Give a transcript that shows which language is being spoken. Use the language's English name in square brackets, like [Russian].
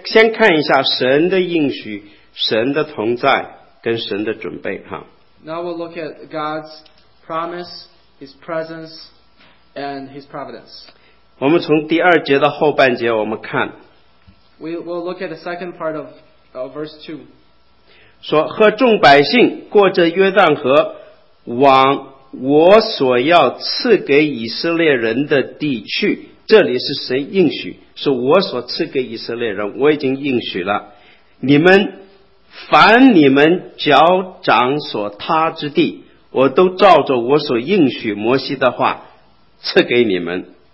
[Chinese] 所以我们今天先看一下神的应许, 神的同在, 跟神的准备, 哈。 [English] Now we'll look at God's promise, His presence, and His providence. [Chinese] 我们从第二节到后半节, 我们看。 [English] We'll look at the second part of verse 2. [Chinese] 说和众百姓过着约旦河, 往我所要赐给以色列人的地区, 这里是神应许，是我所赐给以色列人，我已经应许了。你们凡你们脚掌所踏之地，我都照着我所应许摩西的话赐给你们。